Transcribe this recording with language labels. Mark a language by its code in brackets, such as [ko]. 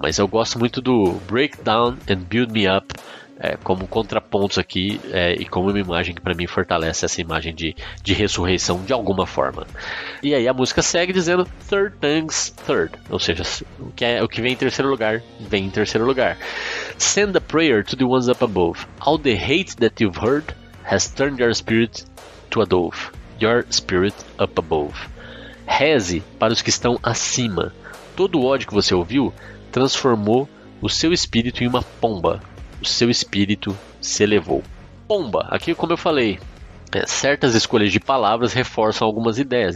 [pt] Mas eu gosto muito do [en] Break Down and Build Me Up, [pt] como contrapontos aqui, e como uma imagem que para mim fortalece essa imagem de ressurreição de alguma forma. E aí a música segue dizendo [en] third things third, [pt] ou seja, o que vem em terceiro lugar vem em terceiro lugar. [en] Send a prayer to the ones up above. All the hate that you've heard has turned your spirit to a dove. Your spirit up above. [pt] Reze para os que estão acima. Todo o ódio que você ouviu transformou o seu espírito em uma pomba. O seu espírito se elevou. Pomba. Aqui, como eu falei, certas escolhas de palavras reforçam algumas ideias.